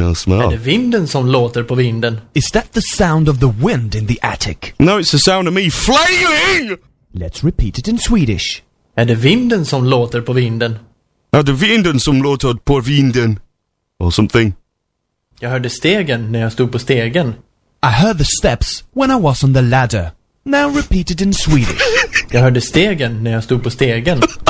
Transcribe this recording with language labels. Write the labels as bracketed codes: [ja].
[sv] Är det vinden som låter på vinden? [en] Is that the sound of the wind in the attic? No, it's the sound of me flailing! Let's repeat it in Swedish. [sv] Är det vinden som låter på vinden? Är det vinden som låter på vinden? [en] Or something. [sv] Jag hörde stegen när jag stod på stegen. [en] I heard the steps when I was on the ladder. Now repeat it in Swedish. [sv] Jag hörde stegen när jag stod på stegen.